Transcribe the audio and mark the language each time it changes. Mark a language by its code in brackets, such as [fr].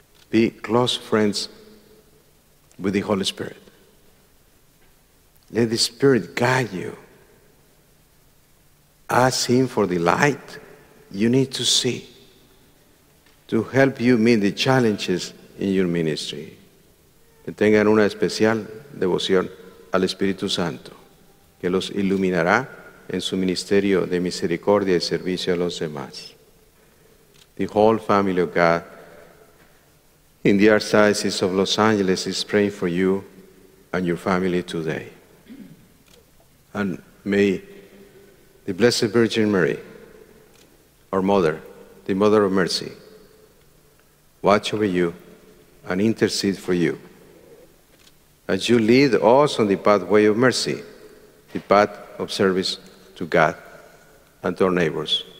[en] Be close friends with the Holy Spirit. Let the Spirit guide you. Ask him for the light you need to see to help you meet the challenges in your ministry. [es] Que tengan una especial devoción al Espíritu Santo, que los iluminará en su ministerio de misericordia y servicio a los demás. [en] The whole family of God in the Archdiocese of Los Angeles is praying for you and your family today. And may the Blessed Virgin Mary, our Mother, the Mother of Mercy, watch over you and intercede for you as you lead us on the pathway of mercy, the path of service to God and to our neighbors.